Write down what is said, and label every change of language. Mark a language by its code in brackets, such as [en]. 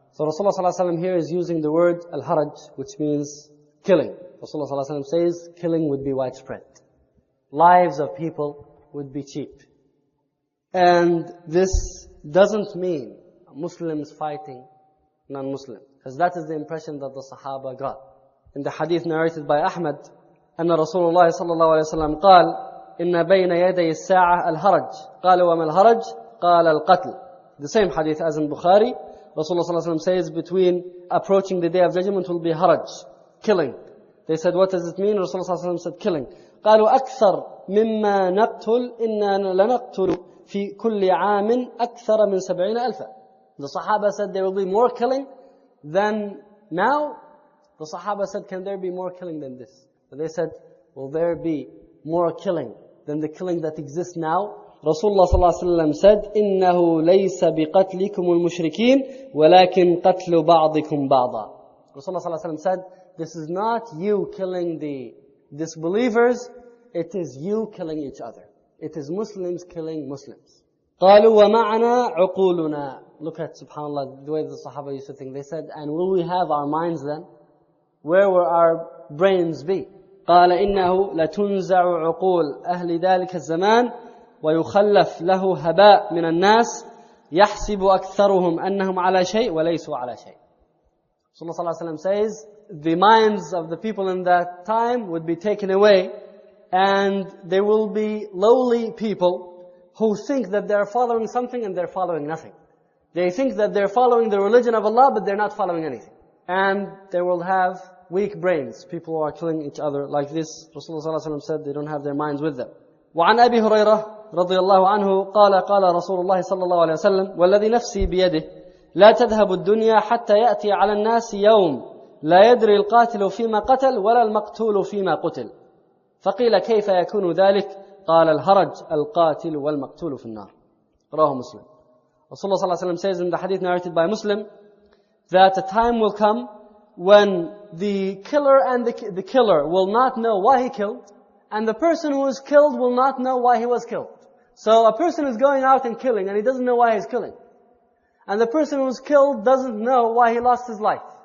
[en] So Rasulullah sallallahu alayhi wa sallam here is using the word al-haraj, which means killing. Rasulullah sallallahu alayhi wa sallam says, killing would be widespread. Lives of people would be cheap. And this doesn't mean Muslims fighting non-Muslim, because that is the impression that the Sahaba got. In the hadith narrated by Ahmad, [ar] أن رسول الله صلى الله عليه وسلم قال إن بين يدي الساعة الهرج قال وما الهرج؟ قال القتل. [en] The same hadith as in Bukhari. Rasulullah صلى الله عليه وسلم says between approaching the day of judgment will be haraj, killing. They said, what does it mean? [ar] Rasulullah صلى الله عليه وسلم [en] said killing. [ar] قالوا أكثر مما نقتل إن لنقتل في كل عام أكثر من 70,000. [en] The Sahaba said there will be more killing than now. The Sahaba said, can there be more killing than this? But they said, will there be more killing than the killing that exists now? [ar] Rasulullah صلى الله عليه وسلم [en] said, [ar] إنه ليس بقتلكم المشركين ولكن قتل بعضكم بعضا. [en] Rasulullah صلى الله عليه وسلم said, this is not you killing the disbelievers, it is you killing each other. It is Muslims killing Muslims. [ar] قالوا ومعنا عقولنا. [en] Look at subhanAllah, the way the Sahaba used to think. They said, and will we have our minds then? Where were our brains be? [ar] قال إنه لتنزع عقول أهل ذلك الزمان ويخلف له هباء من الناس يحسب أكثرهم أنهم على شيء وليسوا على شيء. [en] صلى الله عليه وسلم says, the minds of the people in that time would be taken away, and there will be lowly people who think that they are following something and they're following nothing. They think that they're following the religion of Allah, but they're not following anything. And they will have weak brains, people who are killing each other like this. Rasulullah sallallahu alaihi wasallam said they don't have their minds with them. [ar] وعن أبي هريرة رضي الله عنه قال قال رسول الله صلى الله عليه وسلم والذي نفسي بيده لا تذهب الدنيا حتى يأتي على الناس يوم لا يدري القاتل فيما قتل ولا المقتول فيما قتل. فقيل كيف يكون ذلك؟ قال الهرج القاتل والمقتول في النار. رواه مسلم. [en] رسول الله صلى الله عليه وسلم says in the hadith narrated by Muslim that a time will come when the killer and the killer will not know why he killed, and the person who was killed will not know why he was killed. So a person is going out and killing and he doesn't know why he's killing, and the person who was killed doesn't know why he lost his life.